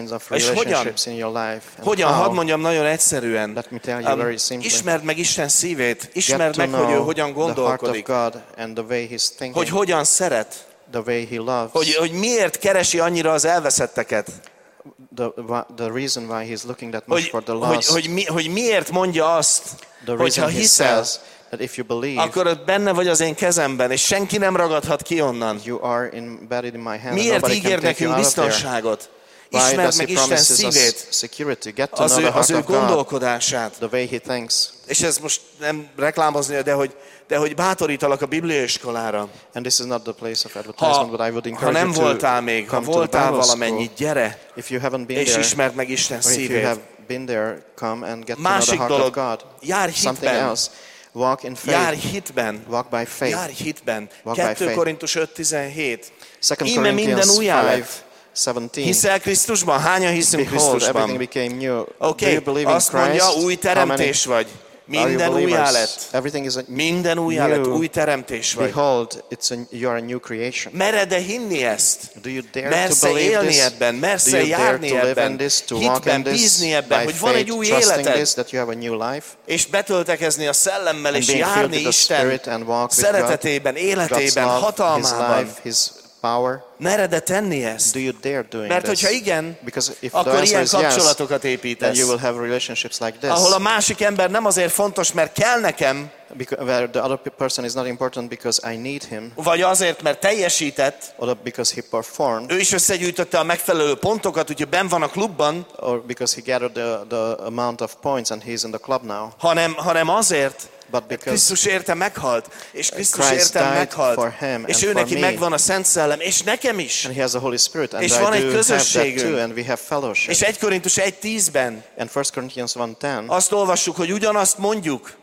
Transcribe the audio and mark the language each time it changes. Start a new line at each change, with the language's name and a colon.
Hungarian: És hogyan? Hadd mondjam nagyon egyszerűen. Ismerd meg Isten szívét, ismerd meg, hogy ő hogyan gondolkodik, hogy hogyan szeret, hogy miért keresi annyira az elveszetteket.
English: The reason why he's looking that much for the lost.
Hungarian: Hogy miért mondja azt, hogyha hiszel,
English: that if you believe,
Hungarian: akkor ott benne vagy az én kezemben, és senki nem ragadhat ki onnan.
English: You are in, buried in my hand.
Hungarian: Miért ígér nekünk biztonságot? Ismerd meg Isten szívét, az ő gondolkodását.
English: The way he thinks.
Hungarian: És ez most nem reklámozni, de hogy bátorítalak a bibliaiskolára.
English: And this is not the place of advertisement, but I would encourage you.
Hungarian: Ha nem voltál még, ha voltál valamennyi, gyere.
English: If you haven't been there,
Hungarian: és ismerd meg Isten szívét.
English: If you have been there, come and get to know the heart of God.
Hungarian: Jár hitben.
English: Something else. Walk in faith.
Hungarian: Jár hitben.
English: Walk by faith.
Hungarian: Jár hitben. 2 Korintus 5:17.
English: Second Corinthians 5:17.
Hungarian: Hiszel Krisztusban? Hányan hiszünk Krisztusban?
English: Okay.
Hungarian: Azt mondja, új teremtés vagy. Minden újjá lett. Minden újjá lett, új teremtés vagy.
English: Behold, you are a new creation.
Hungarian: Mered-e hinni ezt?
English: Do you dare
Hungarian: Mersz-e
English: to
Hungarian: élni ebben? Mersz-e járni ebben? Hitben, bízni ebben, hogy van egy új életed? És betöltekezni a szellemmel, és járni Isten szeretetében, életében, hatalmában. Mered-e tenni ezt?
English: Do you dare doing
Hungarian: Mert hogyha igen, akkor ilyen kapcsolatokat építesz.
English: You will have relationships like this.
Hungarian: Ahol a másik ember nem azért fontos, mert kell nekem,
English: where the other person is not important because I need him.
Hungarian: Vagy azért, mert teljesített,
English: or because he performed.
Hungarian: Ő is összegyűjtötte a megfelelő pontokat, úgyhogy benn van a klubban,
English: or because he gathered the amount of points and he's in the club now.
Hungarian: Hanem azért,
English: but because
Hungarian: Krisztus érte meghalt, és Krisztus érte meghalt, és ő neki megvan a Szent Szellem, és nekem is.
English: And he has the Holy Spirit, and
Hungarian: és
English: I
Hungarian: van egy közösségünk,
English: too, and we have fellowship.
Hungarian: És 1 Korintus 1:10-ben
English: and 1 Corinthians 1:10,
Hungarian: azt olvassuk, hogy ugyanazt mondjuk,